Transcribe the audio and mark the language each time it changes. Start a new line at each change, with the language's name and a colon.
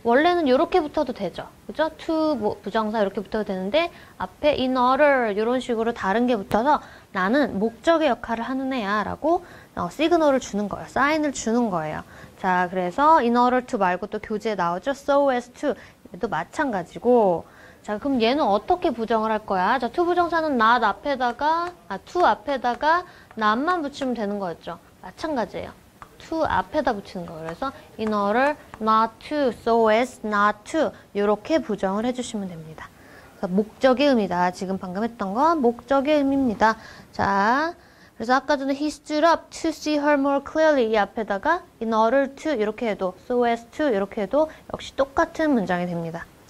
Korean: 원래는 요렇게 붙어도 되죠. 그죠? to 부정사 이렇게 붙어도 되는데 앞에 in order 요런 식으로 다른 게 붙어서 나는 목적의 역할을 하는 애야라고 시그널을 주는 거예요. 사인을 주는 거예요. 자, 그래서 in order to 말고 또 교재에 나오죠. so as to 얘도 마찬가지고. 자, 그럼 얘는 어떻게 부정을 할 거야? 자, to 부정사는 not 앞에다가, 아, to 앞에다가 not만 붙이면 되는 거였죠. 마찬가지예요. to 앞에다 붙이는 거. 그래서 in order not to, so as not to. 이렇게 부정을 해주시면 됩니다. 그래서 목적의 의미다. 지금 방금 했던 건 목적의 의미입니다. 자, 그래서 아까 전에
English: he stood up to see her more clearly
Korean: 이 앞에다가 in order to 이렇게 해도 so as to 이렇게 해도 역시 똑같은 문장이 됩니다.